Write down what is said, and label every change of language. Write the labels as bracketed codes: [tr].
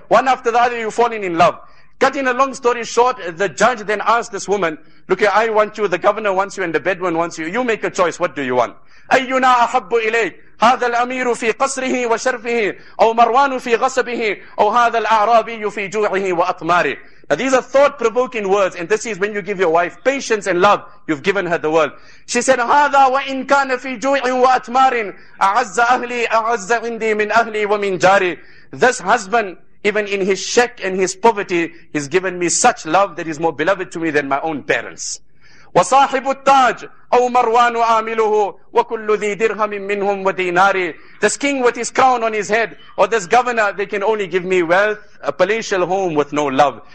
[en] One after the other, you've fallen in love. Cutting a long story short, the judge then asked this woman, look here, I want you, the governor wants you, and the Bedouin wants you. You make a choice, what do you want? [ar] أَيُّنَا أَحَبُّ إِلَيْكَ هَذَا الْأَمِيرُ فِي قَصْرِهِ وَشَرْفِهِ أَوْ مَرْوَانُ فِي غَصَبِهِ أَوْ هَذَا الْأَعْرَابِيُّ فِي جُوعِهِ وَأَطْمَارِهِ. [en] Now these are thought-provoking words, and this is when you give your wife patience and love, you've given her the world. She said, [ar] هَذَا وَإِنْ كَانَ فِي جُوعٍ وَأَطْمَارٍ أَعَزَّ أَهْلِي أَعَزَّ عِنْدِي مِنْ أَهْلِي وَمِنْ جَارِي. [en] This husband, even in his shack and his poverty, has given me such love that is more beloved to me than my own parents. [ar] وَصَاحِبُ التَّاجِ أَوْ مَرْوَانُ عَامِلُهُ وَكُلُّ ذِي دِرْهَمٍ مِّنْهُمْ وَدِينَارِ. [en] This king with his crown on his head, or this governor, they can only give me wealth, a palatial home with no love.